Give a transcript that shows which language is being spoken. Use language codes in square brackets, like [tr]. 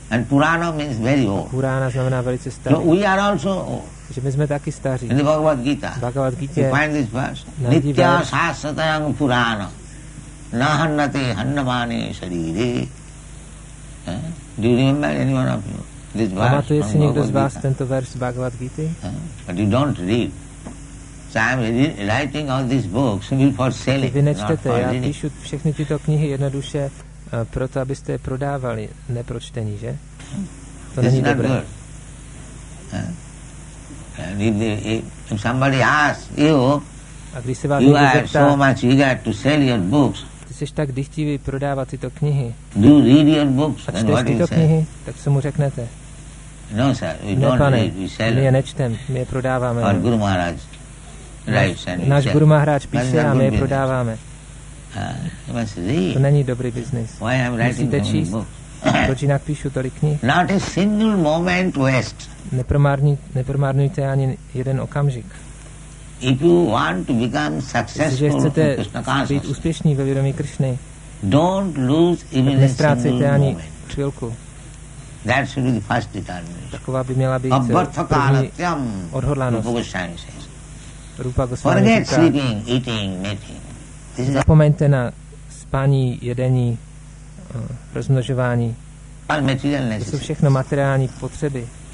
[en] And Purana means very old. [cs] Purana znamená velice starý. [en] So we are also [cs] že my jsme taky staří. [en] In the Bhagavad Gita. [cs] Bhagavad Gita. [en] You find this verse. [sa] Nitya sasatayam purana. Nahannate hannamane sarire. [en] Do you remember any one of you? This verse. [cs] Pamatuje si někdo z vás tento verš Bhagavad Gita? [en] But you don't read. So I am writing all these books for selling. [cs] Vy nečtete, já píšu všechny tyto knihy jednoduše proto, abyste je prodávali, ne pro čtení, že? To není dobré. [en] This is not good. And if somebody asks you, you have so much eager to sell your books. [cs] Ty jsi tak dychtivý prodávat tyto knihy. [en] Do you read your books? [cs] A čteš tyto knihy? Tak co mu řeknete? [en] No, sir, we don't read, we sell. [cs] My je nečtem, my je prodáváme. [en] Our Guru Maharaj writes and we sell. [cs] Náš Guru Maharaj píše a my je prodáváme. [en] You must read. [cs] To není dobrý business. [en] Why am I writing so many books? [cs] Proč jinak píšu tolik knih? [en] Not a single moment waste. [cs] Nepromárnujte ani jeden okamžik. [en] If you want to become successful, [cs] jestliže chcete být úspěšní ve vědomí Krišny, [en] don't lose even a single moment. [cs] Nestrácejte ani chvilku. [en] That should be the first determination. [cs] Taková by měla být první odhodlánost. Rupa Goswami říká, [en] forget sleeping, eating, mating. [cs] Zapomeňte na spání, jedení, rozmnožování. To jsou všechno materiální potřeby.